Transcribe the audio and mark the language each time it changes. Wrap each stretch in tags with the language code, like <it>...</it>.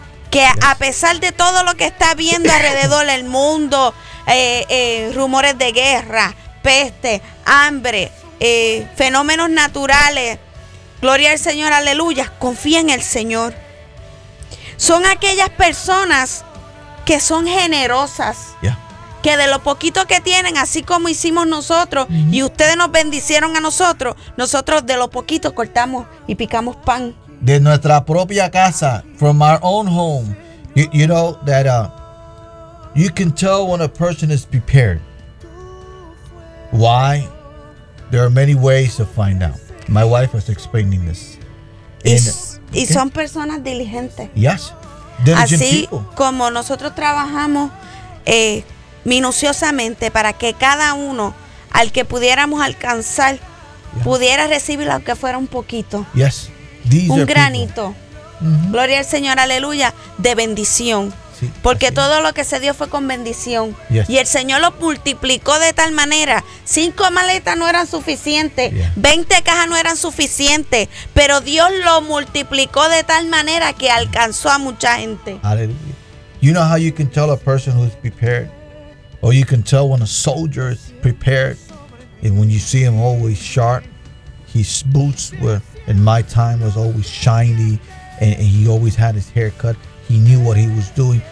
<es>Que a pesar de todo lo que está viendo alrededor del mundo, rumores de guerra, peste, hambre, fenómenos naturales, gloria al Señor, aleluya, confía en el Señor. Son aquellas personas que son generosas, que de lo poquito que tienen, así como hicimos nosotros, y ustedes nos bendicieron a nosotros, nosotros de lo poquito cortamos y picamos pan. De nuestra propia casa,</es> <en>from our own home, you know that you can tell when a person is prepared. Why? There are many ways to find out. My wife was explaining this.</en> <es>Y son personas diligentes.</es> <en>Yes. Diligent Así people.</en> <es>Como nosotros trabajamos minuciosamente para que cada uno al que pudiéramos alcanzar pudiera recibir lo que fuera un poquito.</es> <en>Yes. These</en> <es>un granito. Mm-hmm. Gloria al Señor, aleluya, de bendición. Sí, porque todo lo que se dio fue con bendición.</es> <en>Yes.</en> <es>Y el Señor lo multiplicó de tal manera. 5 maletas no eran suficientes. 20 cajas no eran suficientes. Pero Dios lo multiplicó de tal manera que alcanzó a mucha gente. Aleluya.</es> <en>You know how you can tell a person who is prepared? Or you can tell when a soldier is prepared. And when you see him always sharp, his boots were, in my time, was always shiny. And he always had his hair cut. He knew what he was doing.</en>